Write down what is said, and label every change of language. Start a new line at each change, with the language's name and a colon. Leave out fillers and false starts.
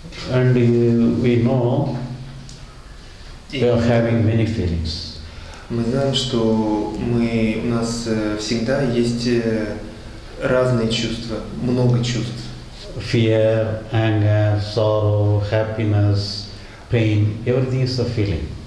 English: And we know we are having many feelings.
Russian: Мы знаем, что мы у нас всегда есть разные чувства, много чувств.
English: Fear, anger, sorrow, happiness, pain. Everything is a feeling.